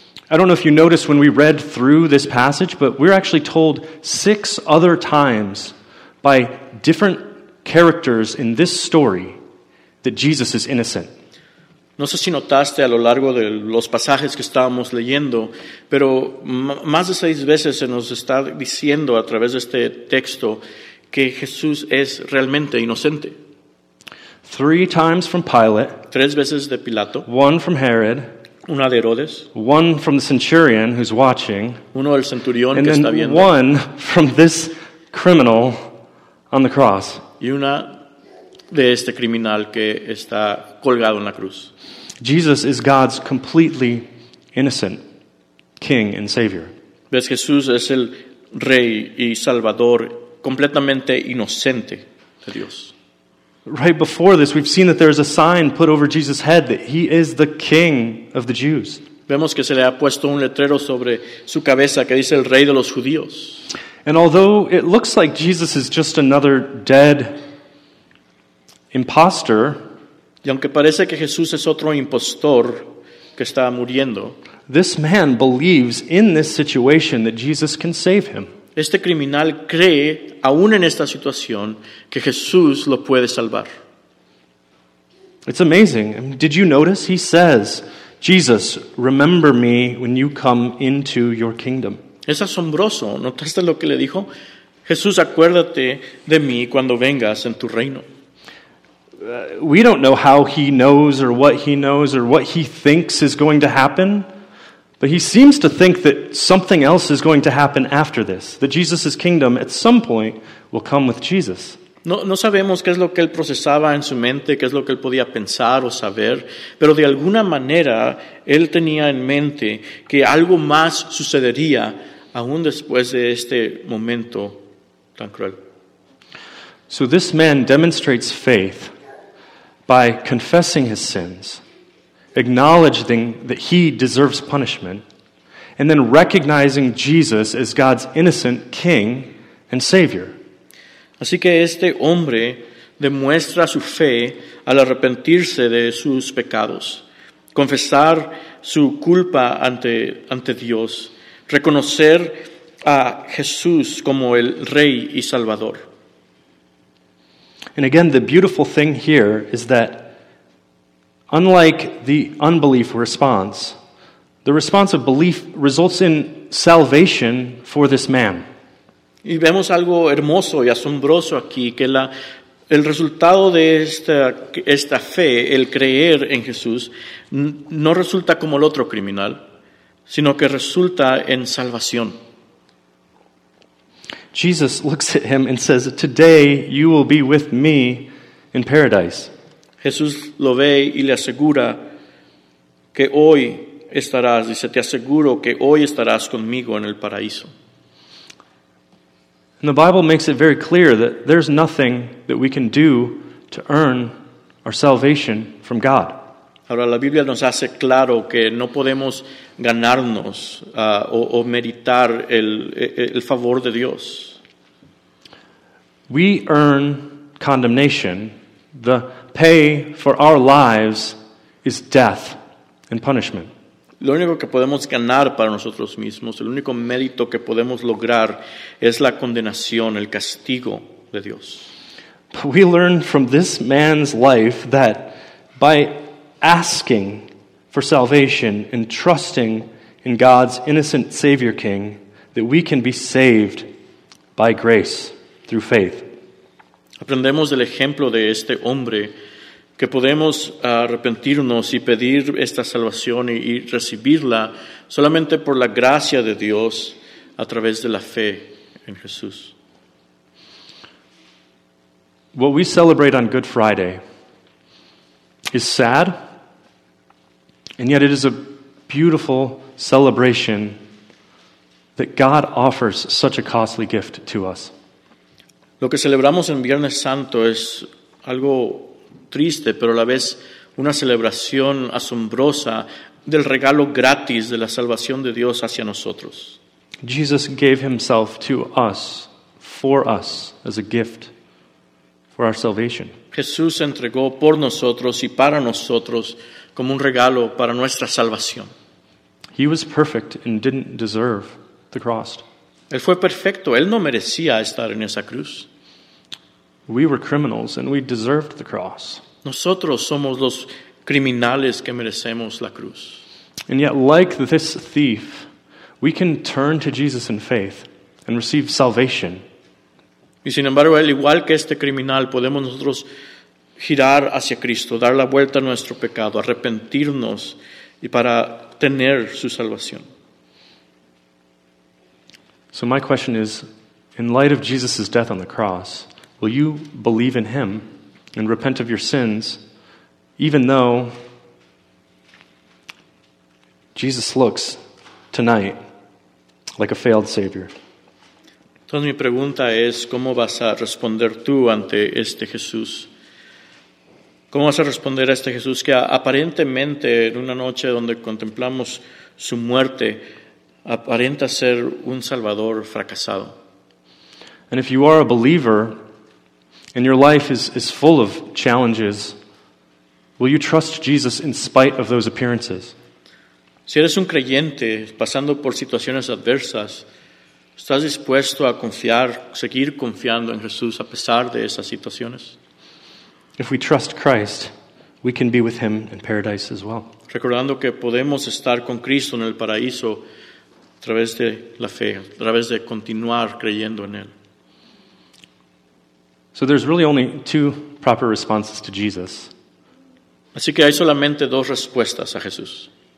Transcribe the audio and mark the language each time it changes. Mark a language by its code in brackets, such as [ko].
[en] I don't know if you noticed when we read through this passage, but we're actually told 6 other times by different characters in this story that Jesus is innocent. [es] No sé si notaste a lo largo de los pasajes que estábamos leyendo, pero más de 6 veces se nos está diciendo a través de este texto que Jesús es realmente inocente. [en] 3 times from Pilate. [es] 3 veces de Pilato. [en] 1 from Herod. [es] Una de Herodes. [en] 1 from the centurion who's watching. [es] Uno del centurión que está viendo. [en] And then 1 from this criminal on the cross. [es] Y una de este criminal que está colgado en la cruz. [en] Jesus is God's completely innocent King and Savior. [es] ¿Ves? Jesús es el Rey y Salvador completamente inocente de Dios. [en] Right before this, we've seen that there is a sign put over Jesus' head that he is the King of the Jews. [es] Vemos que se le ha puesto un letrero sobre su cabeza que dice el Rey de los Judíos. [en] And although it looks like Jesus is just another dead impostor, [es] y aunque parece que Jesús es otro impostor que está muriendo, [en] this man believes in this situation that Jesus can save him. [es] Este criminal cree, aún en esta situación, que Jesús lo puede salvar. [en] It's amazing. Did you notice? He says, Jesus, remember me when you come into your kingdom. [es] Es asombroso. ¿Notaste lo que le dijo? Jesús, acuérdate de mí cuando vengas en tu reino. [en] We don't know how he knows or what he knows or what he thinks is going to happen. But he seems to think that something else is going to happen after this. That Jesus' kingdom at some point will come with Jesus. [es] No sabemos qué es lo que él procesaba en su mente, qué es lo que él podía pensar o saber. Pero de alguna manera, él tenía en mente que algo más sucedería aún después de este momento tan cruel. [en] So this man demonstrates faith by confessing his sins, acknowledging that he deserves punishment, and then recognizing Jesus as God's innocent King and Savior. [es] Así que este hombre demuestra su fe al arrepentirse de sus pecados, confesar su culpa ante Dios, reconocer a Jesús como el Rey y Salvador. [en] And again, the beautiful thing here is that unlike the unbelief response, the response of belief results in salvation for this man. [es] Y vemos algo hermoso y asombroso aquí, que el resultado de esta fe, el creer en Jesús, no resulta como el otro criminal, sino que resulta en salvación. [en] Jesus looks at him and says, "Today you will be with me in paradise." [es] Jesús lo ve y le asegura que hoy estarás, dice, te aseguro que hoy estarás conmigo en el paraíso. [en] And the Bible makes it very clear that there's nothing that we can do to earn our salvation from God. [es] Ahora la Biblia nos hace claro que no podemos ganarnos o meritar el favor de Dios. [en] We earn condemnation. The pay for our lives is death and punishment. [es] Lo único que podemos ganar para nosotros mismos, el único mérito que podemos lograr es la condenación, el castigo de Dios. [en] But we learn from this man's life that by asking for salvation and trusting in God's innocent Savior King, that we can be saved by grace through faith. [es] Aprendemos del ejemplo de este hombre que podemos arrepentirnos y pedir esta salvación y recibirla solamente por la gracia de Dios a través de la fe en Jesús. [en] What we celebrate on Good Friday is sad, and yet it is a beautiful celebration that God offers such a costly gift to us. [es] Lo que celebramos en Viernes Santo es algo triste, pero a la vez una celebración asombrosa del regalo gratis de la salvación de Dios hacia nosotros. [en] Jesus gave himself to us, for us, as a gift for our salvation. [es] Jesús se entregó por nosotros y para nosotros como un regalo para nuestra salvación. [en] He was perfect and didn't deserve the cross. [es] Él fue perfecto, él no merecía estar en esa cruz. [en] We were criminals and we deserved the cross. [es] Nosotros somos los criminales que merecemos la cruz. [en] And yet, like this thief, we can turn to Jesus in faith and receive salvation. [es] Y sin embargo, al igual que este criminal, podemos nosotros girar hacia Cristo, dar la vuelta a nuestro pecado, arrepentirnos y para tener su salvación. [en] So my question is, in light of Jesus' death on the cross, will you believe in him and repent of your sins, even though Jesus looks tonight like a failed Savior? [es] Entonces mi pregunta es, ¿cómo vas a responder tú ante este Jesús? ¿Cómo vas a responder a este Jesús que aparentemente en una noche donde contemplamos su muerte aparenta ser un salvador fracasado? [en] And if you are a believer and your life is full of challenges, will you trust Jesus in spite of those appearances? [es] Si eres un creyente pasando por situaciones adversas, ¿estás dispuesto a confiar, seguir confiando en Jesús a pesar de esas situaciones? [en] If we trust Christ, we can be with him in paradise as well. [es] Recordando que podemos estar con Cristo en el paraíso a través de la fe, a través de continuar creyendo en él. [en] So there's really only two proper responses to Jesus. [es] Así que hay solamente dos respuestas a Jesús.